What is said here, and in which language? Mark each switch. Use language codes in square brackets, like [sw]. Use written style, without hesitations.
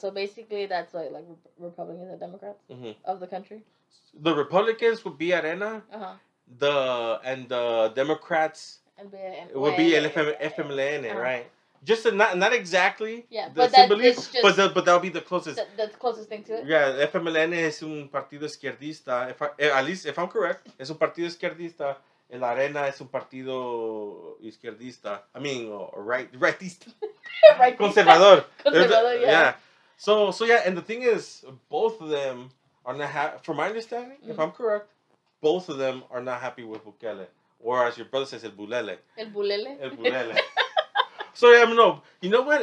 [en] So basically that's like Republicans and Democrats of the country. The Republicans would be Arena. Uh-huh. The Democrats would be FMLN, right? Just a, not exactly. Yeah, the but symbolism, that just, but that'll be the closest. The closest thing to it. [es] Yeah, FMLN es un partido izquierdista. [en] At least, if I'm correct, [es] es un partido izquierdista. El Arena es un partido izquierdista. [en] I mean, rightista. Conservador. [es] Conservador, yeah. [en] So yeah, and the thing is, both of them are not happy. From my understanding, mm-hmm. if I'm correct, both of them are not happy with Bukele. Or as your brother says, el Bulele. El Bulele. El Bulele. So yeah, I'm you know what?